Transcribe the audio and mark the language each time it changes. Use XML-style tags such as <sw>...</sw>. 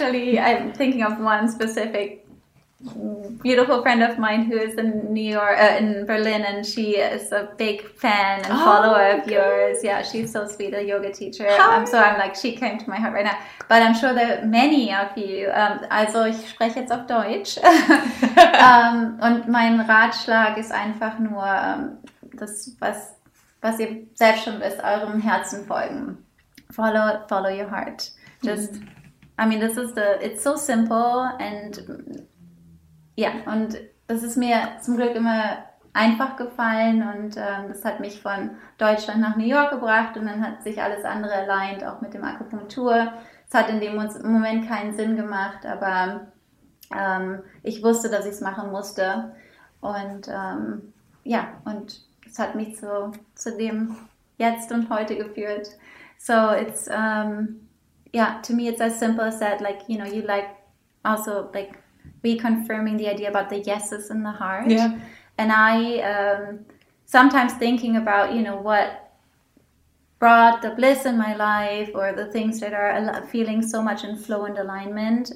<en>And I'm thinking of one specific beautiful friend of mine who is in in Berlin, and she is a big fan and follower of yours. Yeah, she's so sweet, a yoga teacher. I'm like, she came to my heart right now. But I'm sure that many of you,</en> <de>also ich spreche jetzt auf Deutsch. und mein Ratschlag ist einfach nur, das, was ihr selbst schon wisst, eurem Herzen folgen.</de> <en>Follow your heart. Just, I mean, it's so simple. And yeah,</en> <de>und das ist mir zum Glück immer einfach gefallen. Und das hat mich von Deutschland nach New York gebracht. Und dann hat sich alles andere aligned, auch mit dem Akupunktur. Es hat in dem Moment keinen Sinn gemacht, aber ich wusste, dass ich es machen musste. Und und es hat mich zu dem Jetzt und Heute geführt.</de> <en>So it's, to me it's as simple as that. Like, you know, you like also like reconfirming the idea about the yeses in the heart. Yeah. And I sometimes thinking about, you know, what brought the bliss in my life, or the things that are feeling so much in flow and alignment.</en>